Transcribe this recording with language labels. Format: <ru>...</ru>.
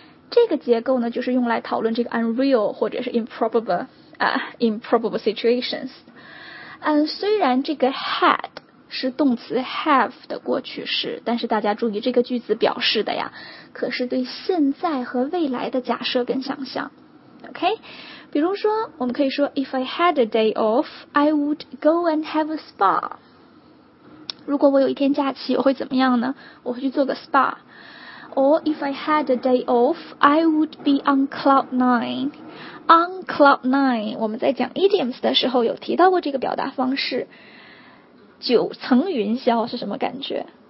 <zh>这个结构呢，就是用来讨论这个 unreal 或者是 improbable situations。虽然这个 had 是动词 have 的过去式，但是大家注意这个句子表示的呀，可是对现在和未来的假设跟想象。</zh> <en>OK，</en> <zh>比如说我们可以说</zh> <en>If I had a day off, I would go and have a spa。</en> <zh>如果我有一天假期，我会怎么样呢？我会去做个</zh> <en>spa。Or if I had a day off, I would be on cloud nine.</en> <zh>On cloud nine, 我们在讲 idioms 的时候有提到过这个表达方式。九层云霄是什么感觉？</zh>